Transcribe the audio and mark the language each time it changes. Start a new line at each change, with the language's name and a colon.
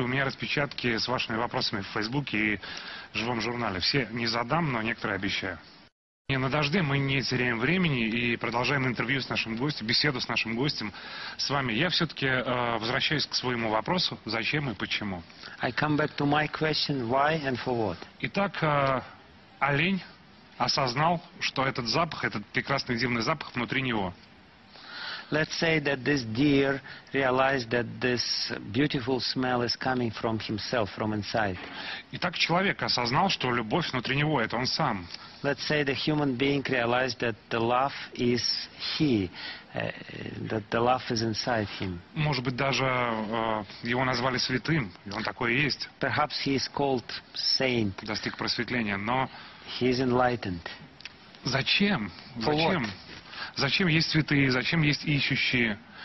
Russian: У меня распечатки с вашими вопросами в Фейсбуке и в живом журнале. Все не задам, но некоторые обещаю. Не на дожде, мы не теряем времени и продолжаем интервью с нашим гостем, беседу с нашим гостем с вами. Я все-таки возвращаюсь к своему вопросу, зачем и почему.
English: I come back to my question, why and for what.
Russian: Итак, олень осознал, что этот запах, этот прекрасный дивный запах внутри него.
English: Let's say that this deer realized that this beautiful smell is coming from himself, from inside.
Russian: Итак, человек осознал, что любовь внутри него, это он сам.
English: Let's say the human being realized that the love is he, that the love is inside him.
Russian: Может быть, даже его назвали святым, и он такой и есть.
English: Perhaps he is called saint.
Russian: Достиг просветления, но...
English: He is enlightened.
Russian: Зачем?
English: For what?
Russian: Зачем есть святые, зачем есть ищущие,